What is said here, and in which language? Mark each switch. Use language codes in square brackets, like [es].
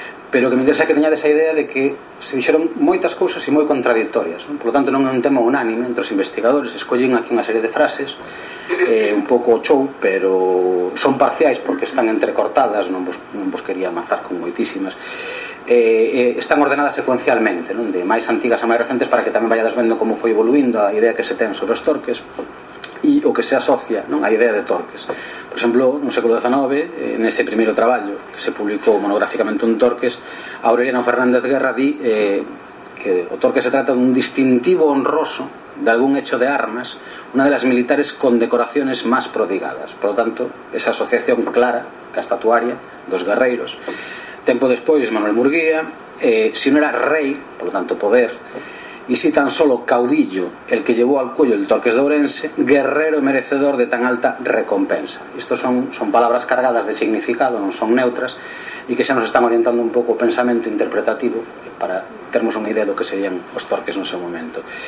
[gl] Pero que me interesa que teñades esa idea de que se dixeron moitas cousas e moi contradictorias, non? [es] Por lo tanto, [gl] non é un tema unánime entre os investigadores. Escollín aquí unha serie de frases un pouco chou, pero son parciais porque están entrecortadas, non vos quería amazar con moitísimas. están ordenadas secuencialmente, non? De máis antigas a máis recentes, para que tamén vayades vendo como foi evoluindo a idea que se ten sobre os torques e o que se asocia, non, a idea de torques. Por exemplo, no século XIX, nese primeiro traballo que se publicou monográficamente un torques, Aureliano Fernández Guerra di que o torque se trata dun distintivo honroso [es] de algún hecho de armas, una de las militares con decoraciones más prodigadas. Por lo tanto, [gl] esa asociación clara, castatuaria, dos guerreiros. Tempo despois, [es] Manuel Murguía, si no era rei, por lo tanto poder, y si tan solo caudillo el que llevó al cuello el torques de Ourense, guerrero merecedor de tan alta recompensa. Estos son palabras cargadas de significado, no son neutras, y que [gl] xa nos están orientando un pouco o pensamento interpretativo para termos unha idea do que serían os torques no seu momento.